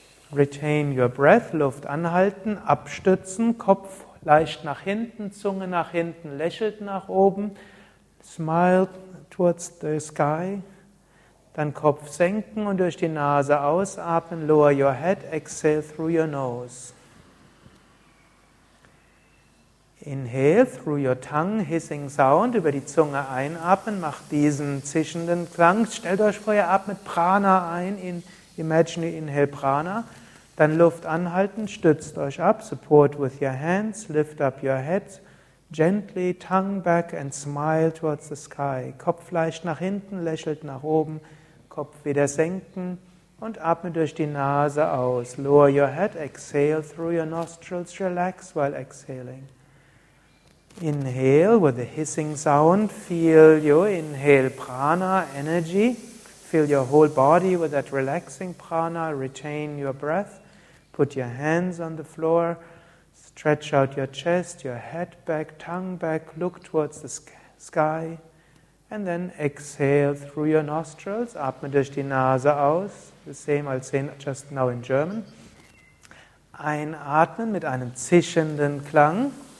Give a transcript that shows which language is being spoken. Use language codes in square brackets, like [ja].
[en] Retain your breath, [de] Luft anhalten, abstützen, Kopf leicht nach hinten, Zunge nach hinten, lächelt nach oben. [en] Smile towards the sky. [de] Dann Kopf senken und durch die Nase ausatmen. [en] Lower your head, exhale through your nose. Inhale through your tongue, hissing sound, [de] über die Zunge einatmen, macht diesen zischenden Klang. Stellt euch vor, ihr atmet Prana ein, [en] imagine you inhale Prana. [de] Dann Luft anhalten, stützt euch ab, [en] support with your hands, lift up your head, gently tongue back and smile towards the sky. [de] Kopf leicht nach hinten, lächelt nach oben, Kopf wieder senken und atme durch die Nase aus. [en] Lower your head, exhale through your nostrils, relax while exhaling. Inhale with a hissing sound, feel your inhale prana energy, feel your whole body with that relaxing prana, retain your breath, put your hands on the floor, stretch out your chest, your head back, tongue back, look towards the sky, and then exhale through your nostrils, [de] atme durch die Nase aus, [en] the same I'll say just now in German, [de] einatmen mit einem zischenden Klang,